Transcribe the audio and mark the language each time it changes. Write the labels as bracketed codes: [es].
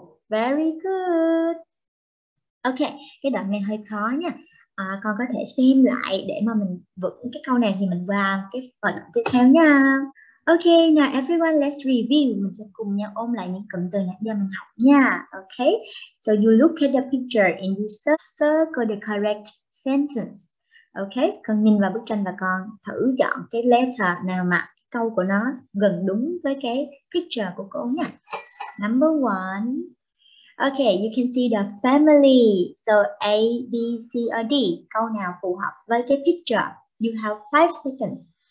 [en] Very good. [vi] Okay, cái đoạn này hơi khó nha. À, con có thể xem lại để mà mình vững cái câu này thì mình vào cái phần tiếp theo nha. [en] Okay, now everyone, let's review. [vi] Mình sẽ cùng nhau ôm lại những cụm từ nãy giờ mình học nha. [en] Okay, so you look at the picture and you circle the correct sentence. [vi] Okay, con nhìn vào bức tranh và con thử chọn cái letter nào mà câu của nó gần đúng với cái picture của cô nha. Number one. [en] Okay, you can see the family. So A, B, C, or D. [vi] Câu nào phù hợp với cái picture? [en] You have 5 seconds.